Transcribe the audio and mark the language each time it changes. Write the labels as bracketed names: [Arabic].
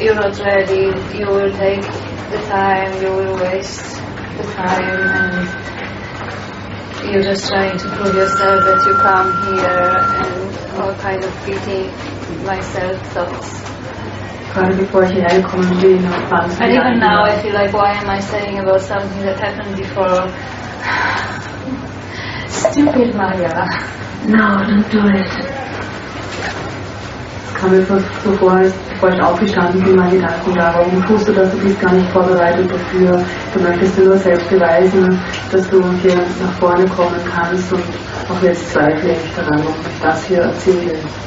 [English] You're not ready, you will take the time, you will waste the time, and you're just trying to prove yourself that you come here, and all kind of pity myself thoughts. [German] Gerade bevor ich hierher gekommen bin, noch wahnsinnig. [English] And even now, I feel like, why am I saying about something that happened before? Stupid Maya. No, don't do it. [German] Es kam mir bevor ich aufgestanden bin, meine Gedanken da, warum tust du das? Du bist gar nicht vorbereitet dafür. Du möchtest dir nur selbst beweisen, dass du hier nach vorne kommen kannst. Und auch jetzt zweifle ich daran, ob ich das hier erzähle.